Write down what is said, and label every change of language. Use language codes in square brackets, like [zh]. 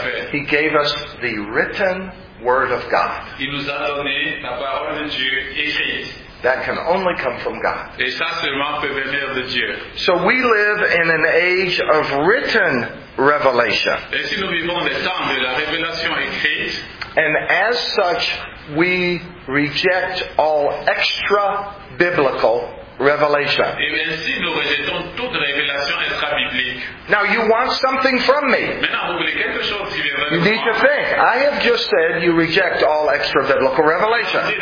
[en] He gave us the written Word of God. [fr] Il nous a donné la parole de Dieu écrite. [en] That can only come from God. [fr] Et ça seulement peut venir de Dieu. [en] So we live in an age of written revelation. [fr] Et si nous vivons le temps de la révélation écrite, [en] and as such, we reject all extra biblical revelation. [fr] Et ainsi nous rejetons toute révélation extra-biblique. [en] Now you want something from me. [fr] Maintenant vous voulez quelque chose qui vient de moi. [en] You need to think. I have just said you reject all extra-biblical revelation.